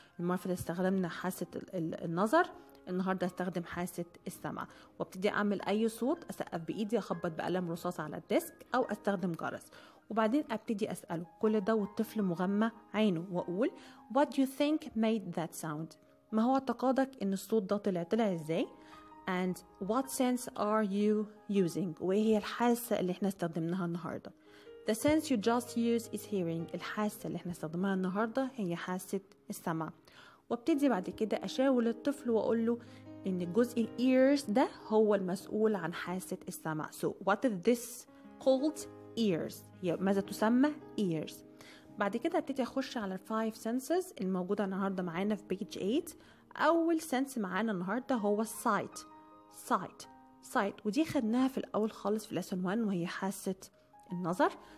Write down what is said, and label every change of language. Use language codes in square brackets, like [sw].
[ar] المره استخدمنا حاسه النظر, النهارده استخدم حاسه السمع وابتدي اعمل اي صوت, اسقف بايدي, اخبط بقلم رصاص على الديسك او استخدم جرس, وبعدين ابتدي اساله كل ده والطفل مغمى عينه واقول what do you think made that sound, ما هو اعتقادك ان الصوت ده طلع ازاي, and what sense are you using, وايه هي الحاسه اللي احنا استخدمناها النهارده. The sense you just use is hearing, الحاسه اللي احنا استخدمناها النهارده هي حاسه السمع. وابتدي بعد كده اشاور الطفل واقول له ان جزء الايرز ده هو المسؤول عن حاسه السمع. [en] So what is this called, ears, ماذا تسمى ears. [ar] بعد كده ابتدي اخش على five senses الموجودة النهاردة معانا في page 8. اول sense معانا النهاردة هو sight, ودي خدناها في الاول خالص في lesson 1 وهي حاسة النظر.